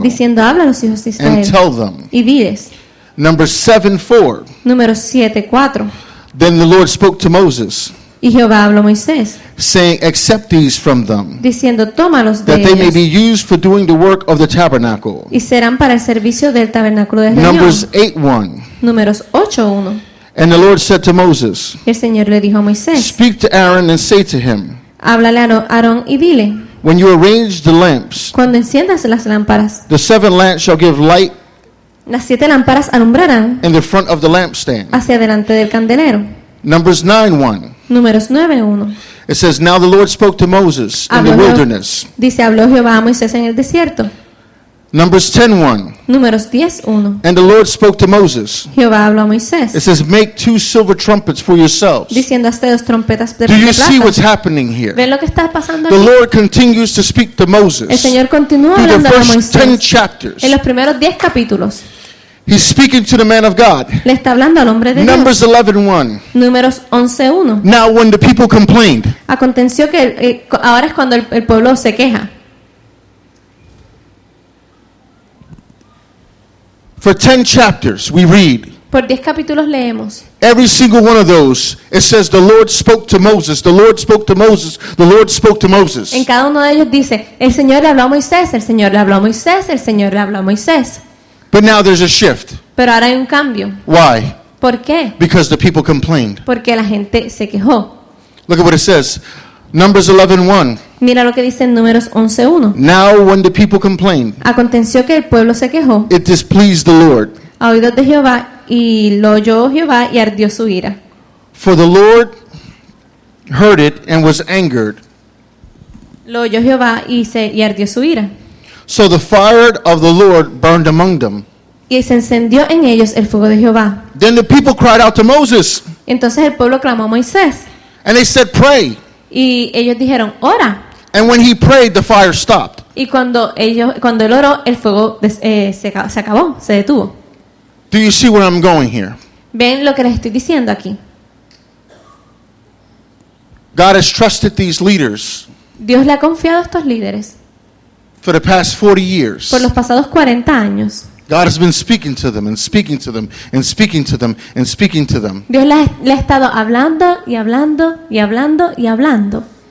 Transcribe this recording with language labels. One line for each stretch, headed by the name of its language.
Spanish: diciendo, habla a los hijos de Israel,
English: and tell them."
Spanish: Y diles.
English: Numbers 7:4.
Spanish: Número 7:4.
English: Then the Lord spoke to Moses,
Spanish: y Jehová habló a Moisés,
English: saying, "Accept these from them,
Spanish: diciendo, tómalos de ellos,
English: that they may be used for doing the work of the tabernacle,
Spanish: y serán para el servicio del tabernáculo de reunión."
English: Numbers 8:1.
Spanish: Números 8:1.
English: And the Lord said to Moses,
Spanish: y el Señor le dijo a Moisés,
English: "Speak to Aaron and say to him,
Spanish: háblale a Aarón y dile,
English: when you arrange the lamps,
Spanish: cuando enciendas las lámparas,
English: the seven lamps shall give light,
Spanish: las siete lámparas alumbrarán,
English: in the front of the lampstand,
Spanish: hacia delante del candelero."
English: Numbers 9:1.
Spanish: Números 9:1.
English: It says, "Now the Lord spoke to Moses in the wilderness."
Spanish: Dice, habló Jehová a Moisés en el desierto.
English: Numbers 10:1.
Spanish: Números 10:1.
English: And the Lord spoke to Moses.
Spanish: Jehová habló a Moisés.
English: It says, "Make two silver trumpets for yourselves."
Spanish: Diciendo, hazte dos trompetas de plata.
English: Do you see what's happening here?
Spanish: ¿Ven lo que está pasando
English: the
Spanish: aquí?
English: Lord continues to speak to Moses.
Spanish: El Señor continúa hablando a Moisés.
English: Through the first 10 chapters.
Spanish: En los primeros 10 capítulos.
English: He's speaking to the man of God.
Spanish: Le está hablando al hombre de Dios.
English: Numbers 11:1.
Spanish: Números 11:1.
English: Now when the people complained.
Spanish: Aconteció que ahora es cuando el pueblo se queja.
English: For 10 chapters we read.
Spanish: Por 10 capítulos leemos.
English: Every single one of those, it says, "The Lord spoke to Moses, the Lord spoke to Moses, the Lord spoke to Moses."
Spanish: En cada uno de ellos dice, el Señor le habló a Moisés, el Señor le habló a Moisés, el Señor le habló a Moisés.
English: But now there's a shift.
Spanish: Pero ahora hay un cambio.
English: Why?
Spanish: ¿Por qué?
English: Because the people complained.
Spanish: Porque la gente se quejó.
English: Look at what it says. Numbers 11:1.
Spanish: Mira lo que dice en Números 11:1.
English: Now when the people complained,
Spanish: aconteció que el pueblo se quejó,
English: it displeased the Lord,
Spanish: a oídos de Jehová, y lo oyó Jehová y ardió su ira.
English: For the Lord heard it and was angered.
Spanish: Lo oyó Jehová y ardió su ira.
English: So the fire of the Lord burned among them.
Spanish: Y se encendió en ellos el fuego de Jehová.
English: Then the people cried out to Moses.
Spanish: Entonces el pueblo clamó a Moisés.
English: And they said, "Pray."
Spanish: Y ellos dijeron, ora.
English: And when he prayed, the fire stopped.
Spanish: Y cuando él oró, el fuego se acabó, se detuvo.
English: Do you see where I'm going here?
Spanish: ¿Ven lo que les estoy diciendo aquí?
English: God has trusted these leaders.
Spanish: Dios le ha confiado a estos líderes.
English: For the past 40 years.
Spanish: Por los pasados 40 años.
English: God has been speaking to them and speaking to them and speaking to them and speaking to them.
Spanish: Dios le ha estado hablando y hablando y hablando y hablando.